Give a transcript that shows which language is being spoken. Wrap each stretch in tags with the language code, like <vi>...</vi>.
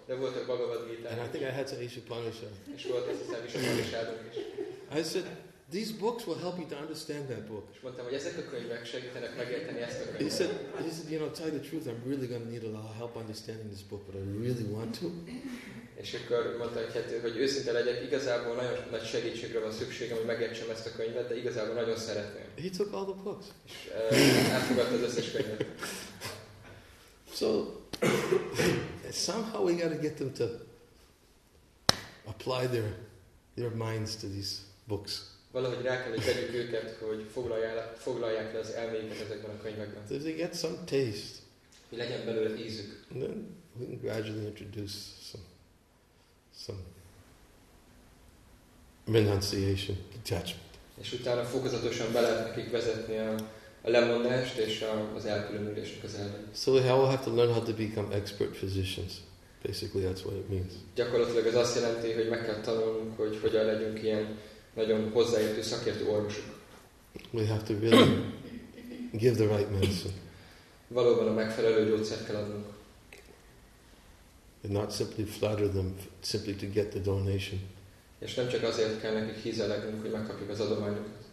<en>And I think I had some Ishapanishad. I said, these books will help you to understand that book. He said, you know, tell you the truth, I'm really going to need a lot of help understanding this book, but I really want to.</en> <hu>És akkor mondta, hogy őszinte legyek, igazából nagyon nagy segítségre van szükségem, hogy megértsem ezt a könyvet, de igazából nagyon szeretném.</hu> <en>He took all the books.</en> <hu>És elfogadta az összes könyvet.</hu> <en>So, somehow we gotta get them to apply their minds to these books.</en> <hu>Valahogy rá kell, hogy tegyük őket, hogy foglalják le az elméjüket ezekben a könyvekben.</hu> <en>So they get some taste.</en> <hu>Hogy legyen belőle ízük.</hu> <en>And then we can gradually introduce some renunciation, detachment.</en> <hu>És utána fokozatosan be lehet nekik vezetni a lemondást és az elkülönülést közelben.</hu> <en>So we all have to learn how to become expert physicians. Basically, that's what it means.</en> <hu>Gyakorlatilag ez azt jelenti, hogy meg kell tanulnunk, hogy hogyan legyünk ilyen nagyon hozzáértő szakértő orvosok.</hu> <en>We have to really give the right medicine.</en> <hu>Valóban a megfelelő gyógyszert kell adnunk.</hu> <en>And not simply flatter them simply to get the donation.</en> <hu>És nem csak azért kell nekik hízelegnünk, hogy megkapjuk az adományokat.</hu>